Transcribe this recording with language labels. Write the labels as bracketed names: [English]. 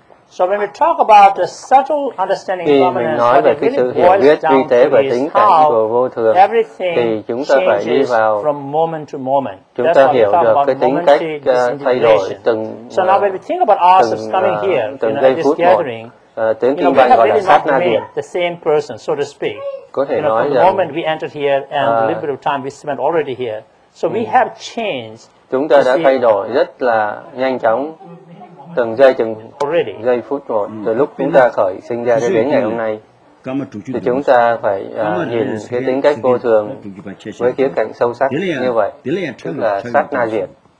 [English] So when we talk about the subtle understanding of impermanence, [Vietnamese] sự hiểu biết vi tế và tính cảnh của vô thường, thì chúng ta phải đi vào, chúng ta hiểu được cái tính cách thay đổi từng giây phút một. Tiếng kinh văn gọi là sát na điển, [English] the same person, so to speak. [Vietnamese] Có thể nói [English] from the moment we entered here and the little bit of time we spent already here, so we have changed. [Vietnamese] Chúng ta đã thay đổi rất là nhanh chóng. từng giây từng giây phút rồi, từ lúc chúng ta khởi sinh ra đến ngày hôm nay, thì chúng ta phải nhìn cái tính cách vô thường với khía cạnh sâu sắc như vậy, tức là sát na diệt.